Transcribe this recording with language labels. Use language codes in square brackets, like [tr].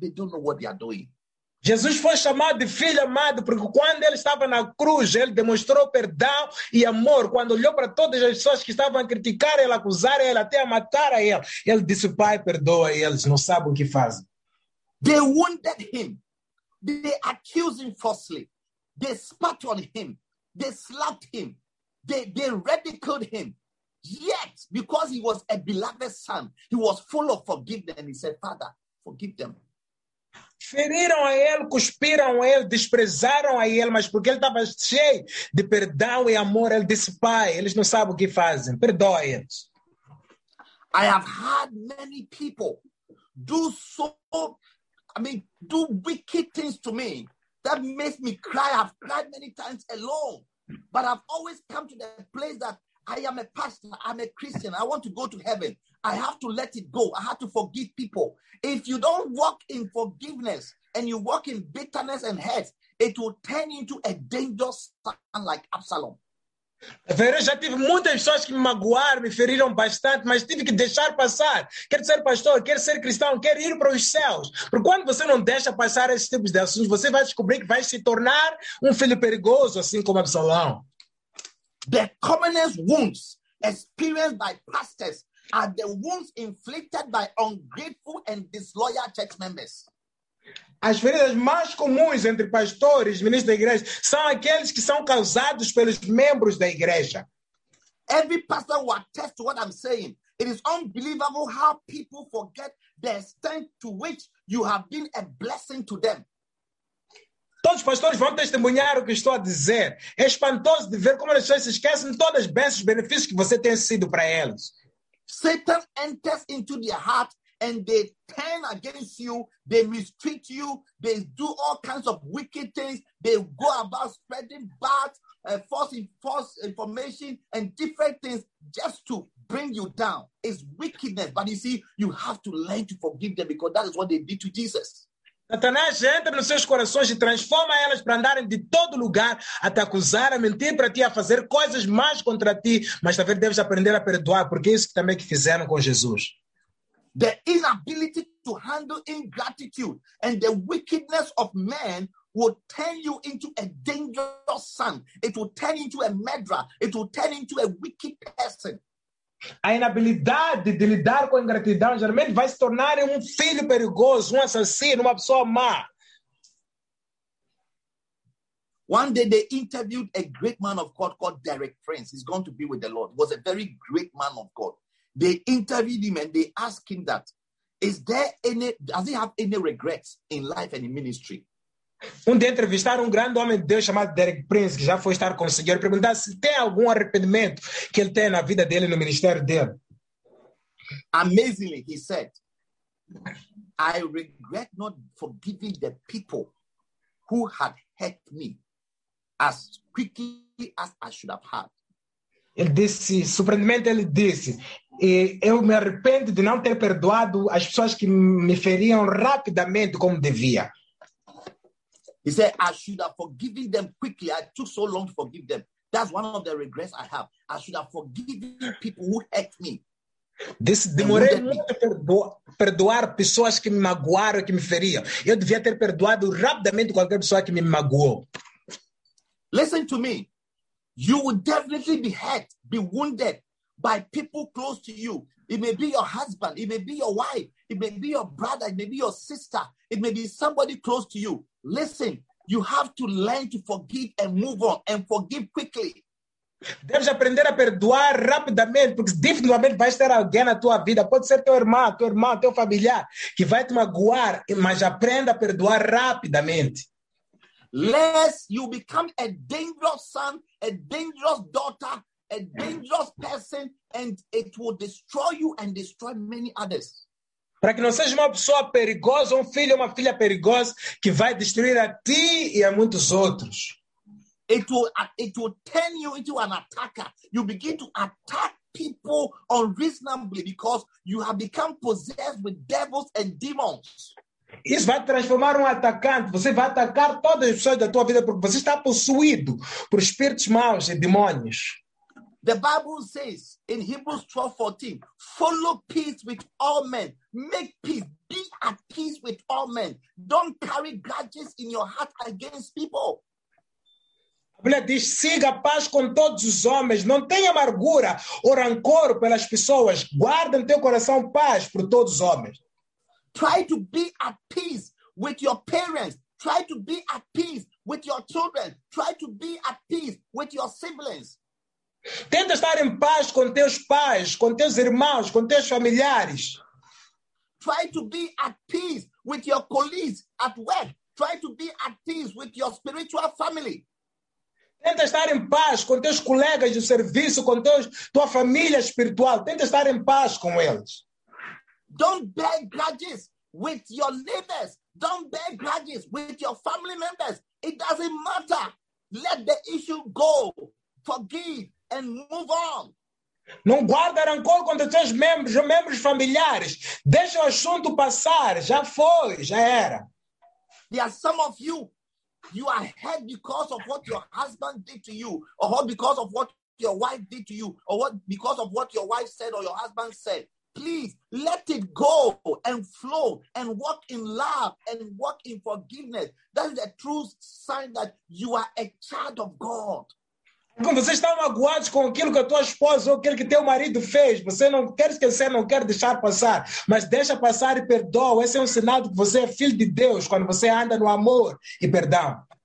[en] They don't know what they are doing. [pt] Jesus foi chamado de filho amado porque quando ele estava na cruz, ele demonstrou perdão e amor. Quando olhou para todas as pessoas que estavam a criticar ele, acusar ele, até a matar a ele, ele disse, Pai, perdoa eles, não sabem o que fazem. [en] They wounded him. They accused him falsely. They spat on him. They slapped him. They ridiculed him. Yet, because he was a beloved son, he was full of forgiveness. And he said, Father, forgive them. [pt] Feriram a ele, cuspiram a ele, desprezaram a ele, mas porque ele estava cheio de perdão e amor, ele disse, Pai, eles não sabem o que fazem, perdoe eles. [en] I have had many people do wicked things to me. That makes me cry. I've cried many times alone, but I've always come to the place that I am a pastor, I'm a Christian, I want to go to heaven. I have to let it go. I have to forgive people. If you don't walk in forgiveness and you walk in bitterness and hate, it will turn into a dangerous son like Absalom. [pt] Eu já tive muitas pessoas que me magoaram, me feriram bastante, mas tive que deixar passar. Quero ser pastor, quero ser cristão, quero ir para os céus. Porque quando você não deixa passar esses tipos de assuntos, você vai descobrir que vai se tornar filho perigoso, assim como Absalão. [en] The commonest wounds experienced by pastors are the wounds inflicted by ungrateful and disloyal church members. [pt] As feridas mais comuns entre pastores, ministros da igreja, são aqueles que são causados pelos membros da igreja. [en] Every pastor will attest to what I'm saying. It is unbelievable how people forget the extent to which you have been a blessing to them. [pt] Todos os pastores vão testemunhar o que estou a dizer. É espantoso de ver como as pessoas se esquecem de todas as bênçãos e benefícios que você tem sido para eles. [en] Satan enters into their heart and they turn against you, they mistreat you, they do all kinds of wicked things, they go about spreading bad, false information and different things just to bring you down. It's wickedness. But you see, you have to learn to forgive them because that is what they did to Jesus. [pt] Satanás entra nos seus corações e transforma elas para andarem de todo lugar a te acusar, a mentir para ti, a fazer coisas más contra ti, mas talvez deves aprender a perdoar, porque é isso que também que fizeram com Jesus. [en] The inability to handle ingratitude and the wickedness of man will turn you into a dangerous son. It will turn into a murderer. It will turn into a wicked person. [pt] A inabilidade de lidar com a ingratidão geralmente vai se tornar filho perigoso, assassino, uma pessoa má. [en] One day they interviewed a great man of God called Derek Prince. He's going to be with the Lord. He was a very great man of God. They interviewed him and they asked him that, does he have any regrets in life and in ministry? [pt] Dia entrevistaram grande homem de Deus chamado Derek Prince, que já foi estar com o Senhor, e perguntaram se tem algum arrependimento que ele tem na vida dele, no ministério dele. [en] Amazingly, he said, I regret not forgiving the people who had hurt me as quickly as I should have had. [pt] Ele disse, surpreendentemente, ele disse, eu me arrependo de não ter perdoado as pessoas que me feriam rapidamente como devia. [en] He said, I should have forgiven them quickly. I took so long to forgive them. That's one of the regrets I have. I should have forgiven people who hurt me. [pt] Demorei muito perdoar pessoas que me magoaram e que me feriam. Eu devia ter perdoado rapidamente qualquer pessoa que me magoou. [en] Listen to me. You will definitely be hurt, be wounded by people close to you. It may be your husband. It may be your wife. It may be your brother. It may be your sister. It may be somebody close to you. Listen, you have to learn to forgive and move on and forgive quickly. [pt] Deves aprender a perdoar rapidamente, porque definitivamente vai ter alguém na tua vida. Pode ser teu irmão, teu familiar, que vai te magoar, mas aprenda a perdoar rapidamente. [en] Lest you become a dangerous son, a dangerous daughter, a dangerous person, and it will destroy you and destroy many others. [pt] Para que não seja uma pessoa perigosa, um filho ou uma filha perigosa que vai destruir a ti e a muitos outros. [en] It will turn you into an attacker. You begin to attack people unreasonably because you have become possessed with devils and demons. [pt] Isso vai transformar um atacante. Você vai atacar todas as pessoas da tua vida porque você está possuído por espíritos maus e demônios. [en] The Bible says in Hebrews 12:14, follow peace with all men. Make peace. Be at peace with all men. Don't carry grudges in your heart against people. [pt] A Bíblia diz, siga a paz com todos os homens. Não tenha amargura ou rancor pelas pessoas. Guarda no teu coração paz por todos os homens. [en] Try to be at peace with your parents. Try to be at peace with your children. Try to be at peace with your siblings. [pt] Tenta estar em paz com teus pais, com teus irmãos, com teus familiares. [en] Try to be at peace with your colleagues at work. Try to be at peace with your spiritual family. [pt] Tenta estar em paz com teus colegas de serviço, com teus, tua família espiritual. Tenta estar em paz com eles. [en] Don't bear grudges with your neighbors. Don't bear grudges with your family members. It doesn't matter. Let the issue go. Forgive and move on. [pt] Não guarda rancor contra teus membros ou membros familiares. Deixa o assunto passar. Já foi, já era. [en] There are some of you. You are hurt because of what your husband did to you, or because of what your wife did to you, or what because of what your wife said or your husband said. Please let it go and flow and walk in love and walk in forgiveness. That is the true sign that you are a child of God. [pt] Como você está magoado com aquilo que a tua esposa ou aquilo que teu marido fez, você não quer esquecer, não quer deixar passar, mas deixa passar e perdoa. Esse é um sinal de que você é filho de Deus quando você anda no amor e perdão.